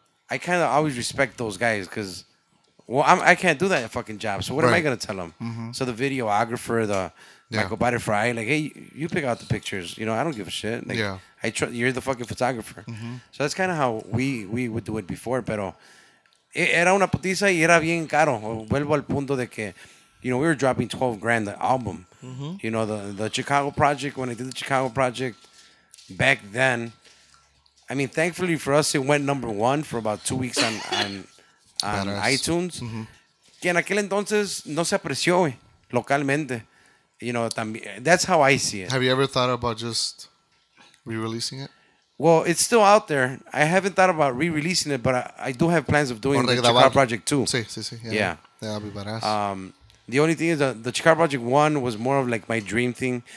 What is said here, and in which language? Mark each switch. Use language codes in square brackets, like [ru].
[en] I kind of always respect those guys because, well, I can't do that fucking job. So what am I going to tell them? So the videographer, Michael Butterfly, like, hey, you pick out the pictures. You know, I don't give a shit. Like, you're the fucking photographer. So that's kind of how we would do it before. [es] Pero era una putiza y era bien caro. Vuelvo al punto de que, [en] you know, we were dropping $12,000 the album. You know, the Chicago Project, when I did the Chicago Project back then, I mean, thankfully for us, it went number one for about 2 weeks on iTunes. [es] Que en aquel entonces no se apreció localmente. [en] You know, that's how I see it. Have you ever thought about just re-releasing it? Well, it's still out there. I haven't thought about re-releasing it, but I do have plans of doing the Chicago Project 2. [es] Sí, sí, sí. [en] Yeah. That'll be badass. The only thing is the Chicago Project 1 was more of like my dream thing.